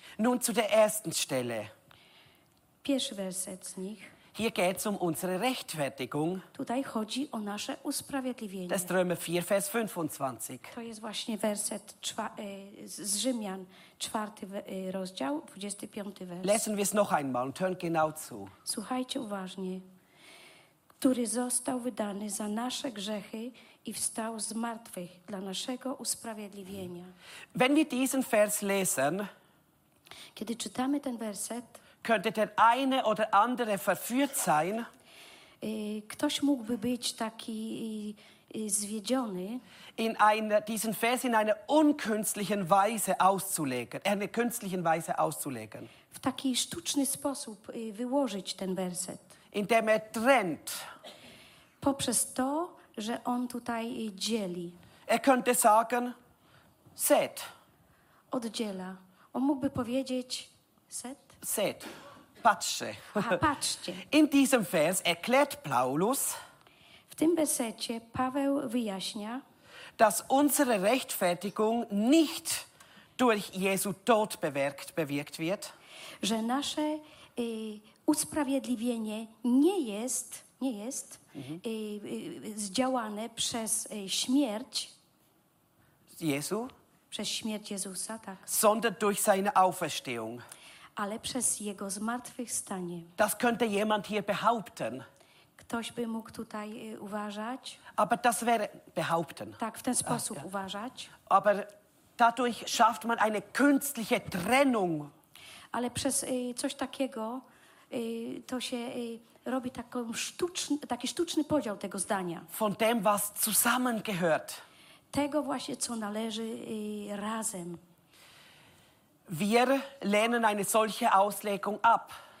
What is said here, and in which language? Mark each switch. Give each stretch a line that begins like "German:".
German: Nun zu der ersten Stelle.
Polish: Pierwszy werset z nich.
German: Hier geht's um unsere Rechtfertigung.
Polish: Tutaj chodzi o nasze usprawiedliwienie.
German: Das Römer 4, Vers 25.
Polish: To jest właśnie werset z Rzymian, czwarty rozdział, 25 werset.
German: Lesen wir es noch einmal und hören genau zu.
Polish: Słuchajcie uważnie. Który został wydany za nasze grzechy i wstał z martwych dla naszego usprawiedliwienia.
German: Wenn wir diesen Vers lesen,
Polish: kiedy czytamy ten werset,
German: könnte der eine oder andere verführt sein,
Polish: ktoś mógłby być taki zwiedziony,
German: diesen Vers in einer unkünstlichen Weise auszulegen, in einer künstlichen Weise auszulegen.
Polish: W taki sztuczny sposób wyłożyć ten werset.
German: Indem er trennt.
Polish: Poprzez to, że on tutaj dzieli.
German: Er könnte sagen, set.
Polish: Oddziela. On mógłby powiedzieć, set? Set. Patrzcie. Aha, patrzcie.
German: In diesem Vers erklärt Paulus.
Polish: W tym wersecie Paweł wyjaśnia,
German: dass unsere Rechtfertigung nicht durch Jesu Tod bewirkt wird,
Polish: że nasze usprawiedliwienie nie jest zdziałane przez śmierć Jezu, przez śmierć Jezusa, tak,
German: sondern durch seine Auferstehung,
Polish: ale przez jego zmartwychwstanie.
German: Das könnte jemand hier behaupten.
Polish: Ktoś by mógł tutaj uważać.
German: Aber das wäre behaupten.
Polish: Tak, w ten sposób uważać.
German: Aber dadurch schafft man eine künstliche Trennung.
Polish: Ale przez coś takiego to się robi taki sztuczny podział tego zdania.
German: Von dem, was zusammengehört.
Polish: Tego właśnie, co należy razem.
German: Wir lehnen eine solche Auslegung ab.